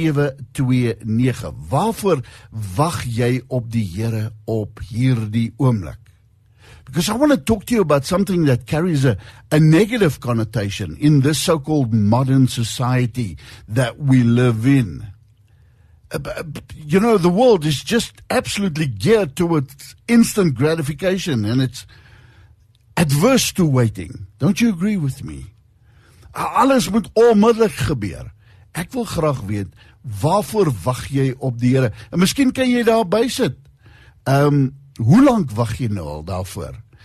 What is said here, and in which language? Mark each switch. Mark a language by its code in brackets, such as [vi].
[af] 082-657-2729. Waarvoor wag jy op die Here op hierdie oomblik? [en] Because I want to talk to you about something that carries a negative connotation in this so-called modern society that we live in. You know, the world is just absolutely geared towards instant gratification, and it's adverse to waiting. Don't you agree with me? [af] Alles moet onmiddellik gebeur. Ek wil graag weet, waarvoor wag jy op die Here? En miskien kan jy daar by sit. Hoe lank wag jy nou al daarvoor?